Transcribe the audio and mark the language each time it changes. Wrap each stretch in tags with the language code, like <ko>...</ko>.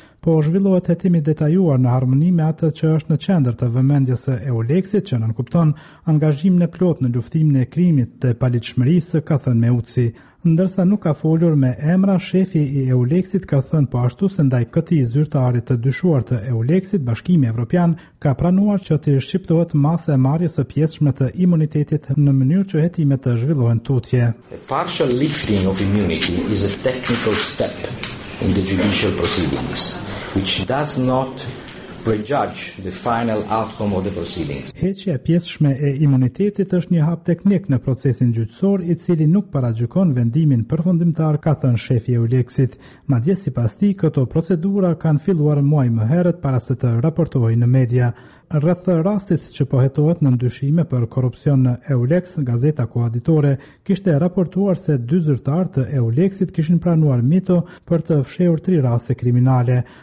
<sq>Po zhvillohet hetimi detajuar në harmoni me atë që është në qendër të vëmendjes së EULEX-it, që nënkupton angazhim në plot në luftimin e krimit të paligjshmërisë, ka thënë Meuci. Ndërsa nuk ka folur me emra, shefi i EULEX-it ka thënë po ashtu se ndaj këtij zyrtari të dyshuar të EULEX-it, Bashkimi Evropian ka pranuar që të shqiptohet masa e marrjes së pjesëshme të imunitetit në mënyrë që hetimet të zhvillohen tutje.</sq> <en>A partial lifting of immunity is a technical step in the judicial proceedings, which does not prejudge the final outcome of the proceedings.</en> <sq>Heqja e pjesëshme e imunitetit është një hap teknik në procesin gjyqësor i cili nuk paragjykon vendimin përfundimtar, ka thënë shefi EULEX-it. Madje sipas tij, këto procedura kanë filluar muaj më herët para se të raportohen në media. Rreth rastit që po hetohet në ndyshime për korrupsion në EULEX, gazeta kohaditore kishte raportuar se dy zyrtarë të EULEX-it kishin pranuar mito për të fshehur 3 raste kriminale.</sq>